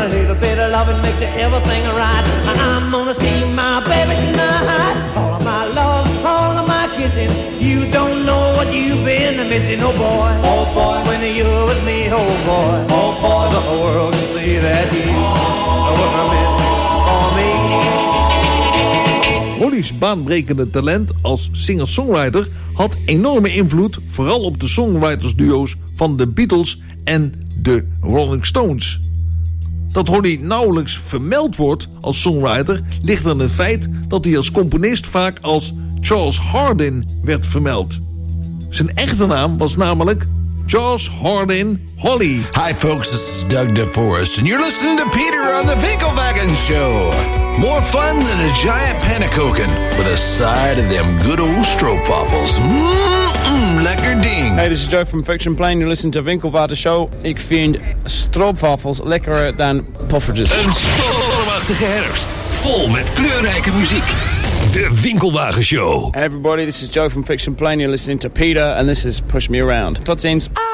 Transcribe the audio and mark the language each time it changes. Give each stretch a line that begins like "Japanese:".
English: A little bit of loving makes everything right. I'm gonna see my baby tonight. All of my love, all of my kissing. You don't know what you've been missing, oh boy. Oh boy, when you're with me, oh boy. Oh boy, the whole world can see that you were meant for me.
Dutch: Holly's baanbrekende talent als singer-songwriter had enorme invloed, vooral op de songwritersduo's van de Beatles en de Rolling Stones. Dat Holly nauwelijks vermeld wordt als songwriter ligt aan het feit dat hij als componist vaak als Charles Hardin werd vermeld. Zijn echte naam was namelijk Charles Hardin Holly.
English: Hi folks, this is Doug DeForest and you're listening to Peter on the Finkelwagen Show. More fun than a giant pannekoeken with a side of them good old stroopwafels.
Dutch: Mmm, lekker ding.
English: Hey, this is Joe from Fiction Plane. You listen to Winkelvaart Show.
Dutch: Ik vind stroopwafels lekkerer dan poffertjes. Een stormachtige herfst, vol met kleurrijke muziek. De Winkelwagen Show.
English: Hey everybody, this is Joe from Fiction Plane. You're listening to Peter and this is Push Me Around.
Dutch: Tot ziens.